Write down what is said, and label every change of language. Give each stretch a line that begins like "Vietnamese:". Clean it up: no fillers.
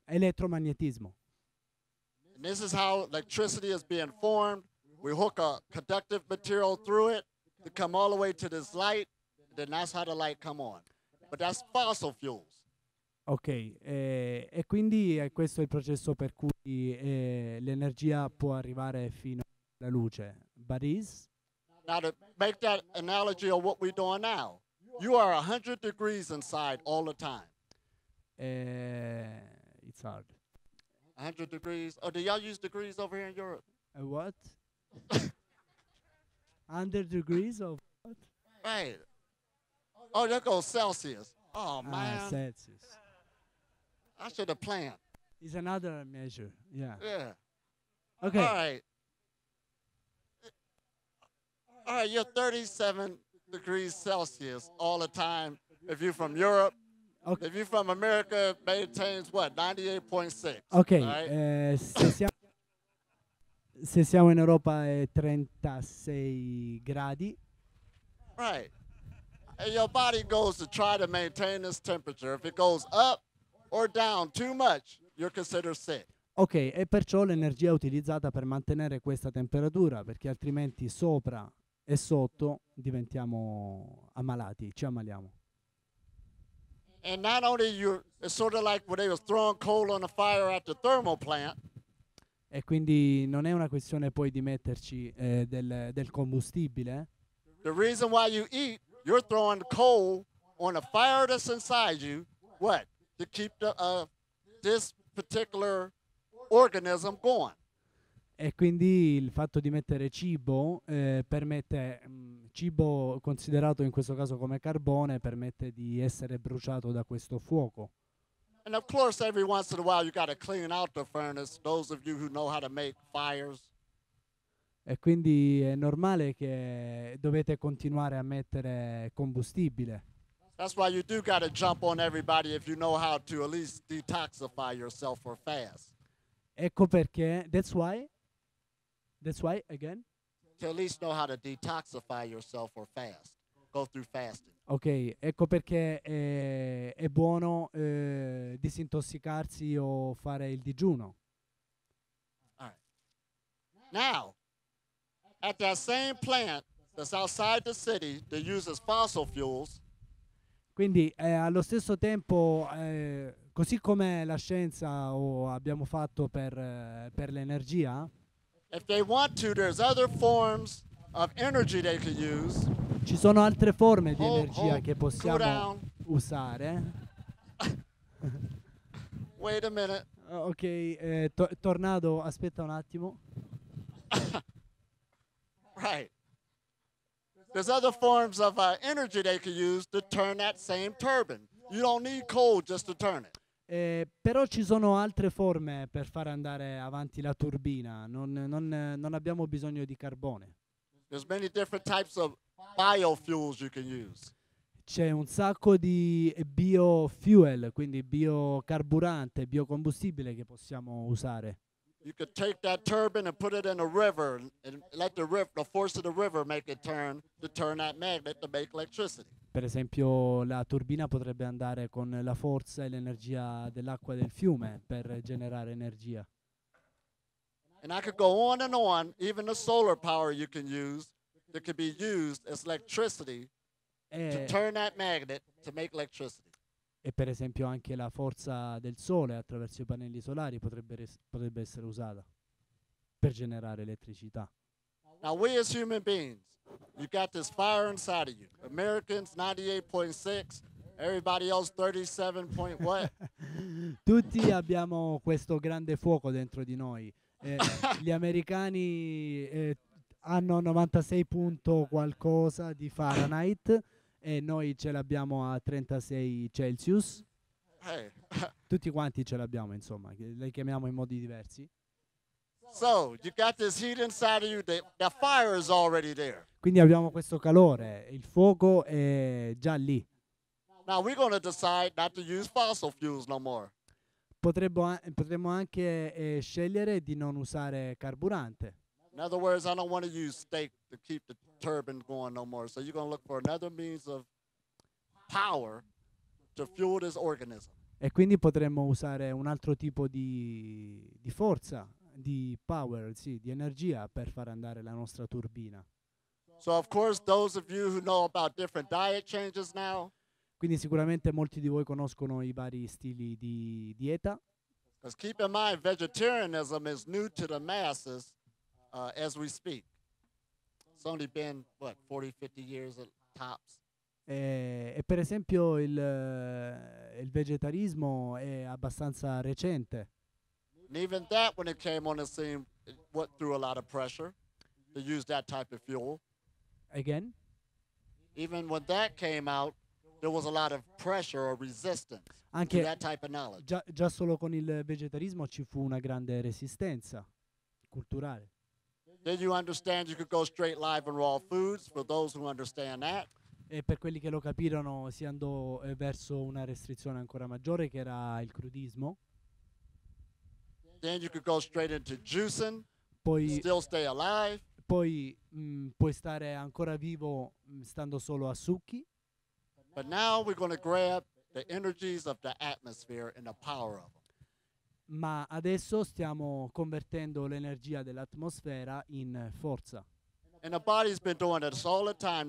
English: And this is how electricity is being formed. We hook a conductive material through it to come all the way to this light. Then that's how the light come on. But that's fossil fuels.
Italian: Ok, e quindi questo è il processo per cui l'energia può arrivare fino alla luce.
English: But is? Now to make that analogy of what we're doing now. You are 100 degrees inside all the time. It's hard. 100 degrees. Oh, do y'all use degrees over here in Europe? A what? 100 degrees of what? Right. Oh, that goes Celsius. Oh, man. Celsius. I should have planned. It's another measure. Yeah. Yeah. Okay. All right. All right, you're 37 degrees Celsius all the time. If you're from Europe, okay. If you're from America, maintains what? 98.6. Okay. Right?
Italian: Se siamo in Europa è 36 gradi.
English: Right. And your body goes to try to maintain this temperature. If it goes up or down too much, you're considered sick.
Italian: Ok, e perciò l'energia utilizzata per mantenere questa temperatura, perché altrimenti sopra e sotto diventiamo ammalati, ci ammaliamo.
English: And not only you, it's sort of like when they were throwing coal on the fire at the thermal plant.
Italian: E quindi non è una questione poi di metterci del combustibile.
English: The reason why you eat, you're throwing coal on the fire that's inside you, what? To keep this particular organism going.
Italian: E quindi il fatto di mettere cibo permette, cibo considerato in questo caso come carbone, permette di essere bruciato da questo fuoco.
English: And of course every once in a while you gotta clean out the furnace, those of you who know how to make fires.
Italian: E quindi è normale che dovete continuare a mettere combustibile.
English: That's why you do gotta jump on everybody if you know how to at least detoxify yourself or fast.
Italian: Ecco perché,
English: that's why, again? To at least know how to detoxify yourself or fast. Go through fasting.
Italian: Ok, ecco perché è buono disintossicarsi o fare il digiuno.
English: All right. Now, at that same plant that's outside the city that uses fossil fuels.
Italian: Quindi, allo stesso tempo, così come la scienza o abbiamo fatto per l'energia.
English: If they want to, there's other forms of energy they could use.
Italian: Ci sono altre forme di energia che possiamo usare.
English: Wait a minute.
Italian: Ok, tornado, aspetta un attimo.
English: Right. There's other forms of energy they could use to turn that same turbine. You don't need coal just to turn it.
Italian: Però ci sono altre forme per far andare avanti la turbina, non abbiamo bisogno di carbone.
English: There's many different types of biofuels you can use.
Italian: C'è un sacco di biofuel, quindi biocarburante, biocombustibile che possiamo usare.
English: You could take that turbine and put it in a river and let the force of the river make it turn to turn that magnet to make electricity.
Italian: Per esempio, la turbina potrebbe andare con la forza e l'energia dell'acqua del fiume per generare energia.
English: And I could go on and on, even the solar power you can use that could be used as electricity to turn that magnet to make electricity.
Italian: E per esempio anche la forza del sole attraverso i pannelli solari potrebbe essere usata per generare elettricità.
English: Now we as human beings, you got this fire inside of you. Americans 98.6, everybody else 37 point what?
Italian: Tutti abbiamo questo grande fuoco dentro di noi. gli americani hanno 96 punto qualcosa di Fahrenheit e noi ce l'abbiamo a 36 Celsius. Hey. Tutti quanti ce l'abbiamo, insomma, le chiamiamo in modi diversi.
English: So, you got this heat inside of you, the fire is already there.
Italian: Quindi abbiamo questo calore, il fuoco è già lì.
English: Now we're going to decide not to use fossil fuels no more.
Italian: Potremmo anche scegliere di non usare carburante.
English: In other words, I don't want to use steak to keep the turbine going no more. So you're going to look for another means of power to fuel this organism.
Italian: E quindi potremmo usare un altro tipo di forza, di power, sì, di energia per far andare la nostra turbina.
English: So of course those of you who know about different diet changes now.
Italian: Quindi sicuramente molti di voi conoscono i vari stili di dieta.
English: Because keep in mind vegetarianism is new to the masses as we speak. It's only been what 40-50 years at tops.
Italian: E per esempio il vegetarismo è abbastanza recente.
English: And even that, when it came on the scene, it went through a lot of pressure to use that type of fuel. Again? Even when that came out, there was a lot of pressure or resistance
Italian: anche
English: to that type of knowledge.
Italian: Già solo con il vegetarismo ci fu una grande resistenza culturale.
English: Did you understand you could go straight live and raw foods? For those who understand that.
Italian: E per quelli che lo capirono, si andò verso una restrizione ancora maggiore, che era il crudismo.
English: Then you could go straight into juicing.
Italian: Poi,
English: still stay alive.
Italian: Poi puoi stare ancora vivo stando solo a succhi.
English: But now we're going to grab the energies of the atmosphere and the power of them.
Italian: Ma adesso stiamo convertendo l'energia dell'atmosfera in forza.
English: And the body's been doing this all the time.